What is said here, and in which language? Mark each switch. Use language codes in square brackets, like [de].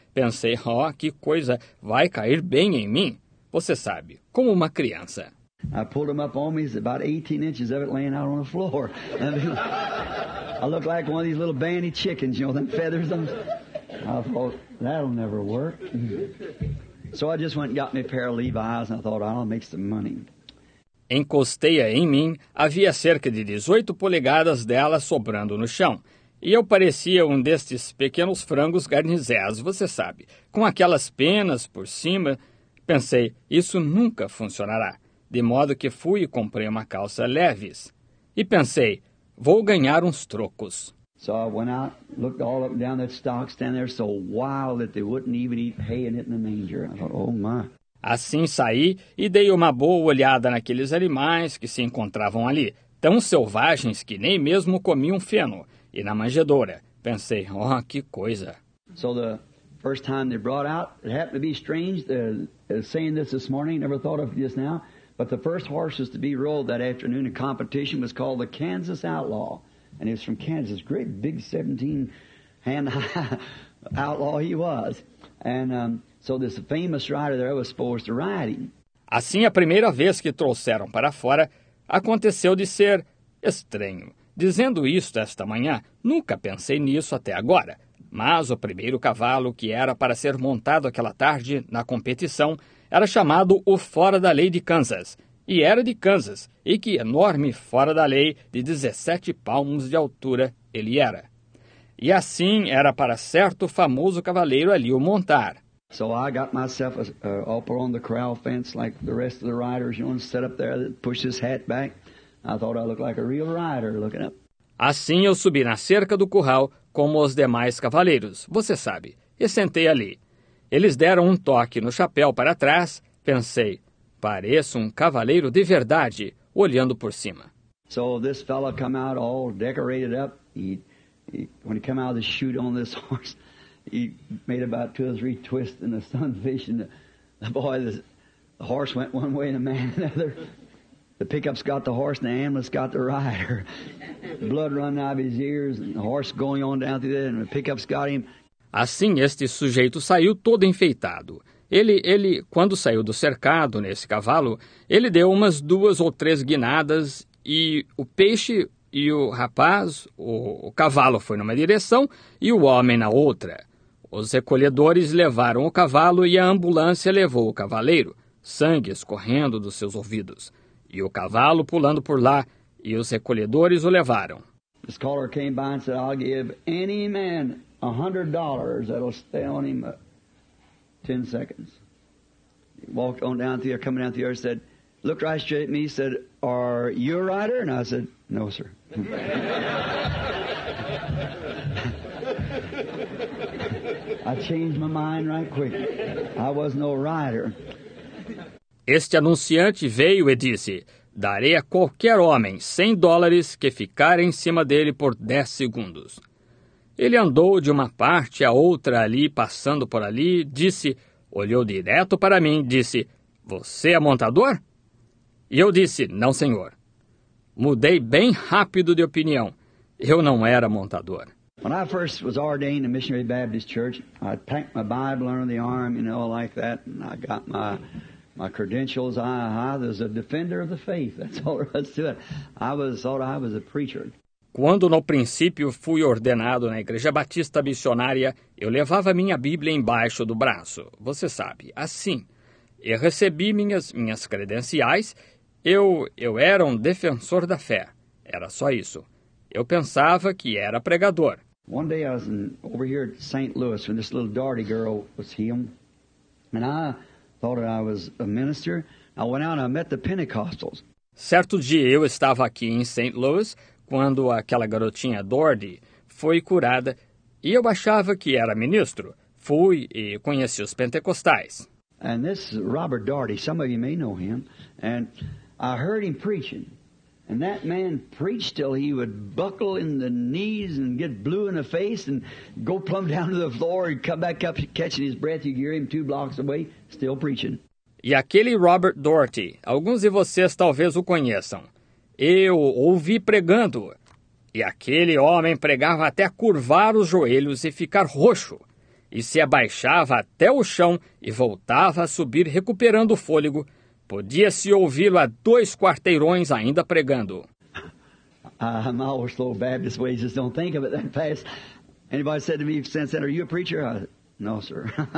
[pt] Pensei, ó, oh, que coisa, vai cair bem em mim, você sabe, como uma criança. [en] I pulled them up on me, about 18 inches of it laying out on the floor. I mean, I look like one of these little bandy chickens, you know, them feathers. I'm... I thought, that'll never work. So I just went and got me a pair of Levi's and I thought, I'll make some money. [pt] Encostei-a em mim, havia cerca de 18 polegadas dela sobrando no chão. E eu parecia um destes pequenos frangos garnizés, você sabe, com aquelas penas por cima. Pensei, isso nunca funcionará. De modo que fui e comprei uma calça leves. E pensei, vou ganhar uns trocos. [en] So I went out, looked all up and down that stock, stand there so wild that they wouldn't even eat hay in it in the manger. I thought, oh my. [pt] Assim saí e dei uma boa olhada naqueles animais que se encontravam ali, tão selvagens que nem mesmo comiam feno. E na manjedoura, pensei, oh, que coisa. [en] So the first time they brought out, it happened to be strange, saying this morning, never thought of this now, but the first horses to be rolled that afternoon in competition was called the Kansas Outlaw. And he was from Kansas, great big 17-hand outlaw he was. And so this famous rider there was supposed to ride him. [pt] Assim, a primeira vez que trouxeram para fora, aconteceu de ser estranho. Dizendo isto esta manhã, nunca pensei nisso até agora. Mas o primeiro cavalo que era para ser montado aquela tarde na competição era chamado o Fora da Lei de Kansas. E era de Kansas, e que enorme fora da lei de 17 palmos de altura ele era. E assim era para certo famoso cavaleiro ali o montar. [en] So I got myself all put on the corral fence like the rest of the riders, you know, set up there, push his hat back. I thought I looked like a real rider looking up. [pt] Assim eu subi na cerca do curral como os demais cavaleiros, você sabe, e sentei ali. Eles deram um toque no chapéu para trás, pensei, pareço um cavaleiro de verdade, olhando por cima. [en] So this fellow come out all decorated up, when he come out of the chute on this horse, he made about two or three twists in the sunfish, and the horse went one way and the man another. The pickups got the horse and the ambulance got the rider. Blood running out of his ears and the horse going on down through there and the pickups got him. [pt] Assim este sujeito saiu todo enfeitado. Ele, quando saiu do cercado nesse cavalo, ele deu umas duas ou três guinadas e o peixe e o rapaz, o cavalo foi numa direção e o homem na outra. Os recolhedores levaram o cavalo e a ambulância levou o cavaleiro, sangue escorrendo dos seus ouvidos. E o cavalo pulando por lá e os recolhedores o levaram. [en] This caller came by and said, I'll give any man $100 that'll stay on him 10 seconds. He walked on down through here, coming down through here, said, looked right straight at me, said, are you a rider? And I said, no, sir. I changed my mind right quick. I was no rider. [pt] Este anunciante veio e disse, darei a qualquer homem $100 que ficar em cima dele por 10 segundos. Ele andou de uma parte a outra ali, passando por ali, disse, olhou direto para mim, disse, você é montador? E eu disse, não, senhor. Mudei bem rápido de opinião. Eu não era montador. [en] When I first was ordained in Missionary Baptist Church, I packed my Bible under the arm, you know, like that, and I got my credentials. I was a defender of the faith. That's all there was to it. I thought I was a preacher. [pt] Quando no princípio fui ordenado na Igreja Batista Missionária, eu levava minha Bíblia embaixo do braço, você sabe, assim. E recebi minhas credenciais, eu era um defensor da fé, era só isso. Eu pensava que era pregador. [en] One day I was over here at St. Louis when this little Darty girl was healed, and I thought that I was a minister. I went out and I met the Pentecostals. [pt] Certo dia eu estava aqui em St. Louis, quando aquela garotinha Dordy foi curada, e eu achava que era ministro, fui e conheci os pentecostais. [en] And this is Robert Dordy, some of you may know him, and I heard him preaching, and that man preached till he would buckle in the knees and get blue in the face and go plumb down to the floor and come back up catching his breath. You hear him two blocks away, still preaching. [pt] e aquele Robert Doherty, alguns de vocês talvez o conheçam. Eu ouvi pregando, e aquele homem pregava até curvar os joelhos e ficar roxo, e se abaixava até o chão e voltava a subir recuperando o fôlego. Podia-se ouvi-lo a 2 quarteirões ainda pregando. [en] I'm all slow Baptist ways, just don't think of it that fast. Anybody said to me since then, are you a preacher? No, sir.